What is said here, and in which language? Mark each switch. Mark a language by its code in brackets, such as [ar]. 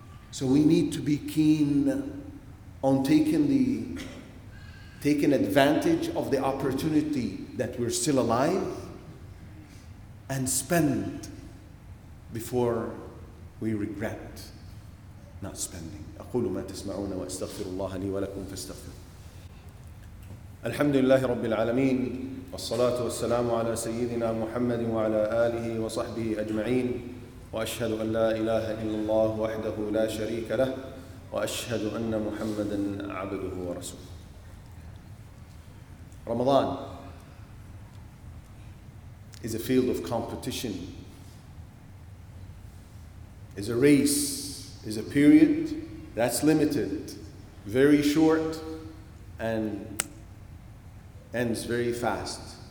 [en] So we need to be keen on taking advantage of the opportunity that we're still alive and spend before we regret not spending. [ar] أَقُولُ مَا تَسْمَعُونَ وَأَسْتَغْفِرُ اللَّهَ لِي وَلَكُمْ فَاسْتَغْفِرُ الحمد لله رب العالمين والصلاة والسلام على سيدنا محمد وعلى آله وصحبه أجمعين وأشهد أن لا إله إلا الله وحده لا شريك له وأشهد أن محمدا عبده ورسوله. [en] Ramadan is a field of competition, is a race, is a period that's limited, very short, and ends very fast.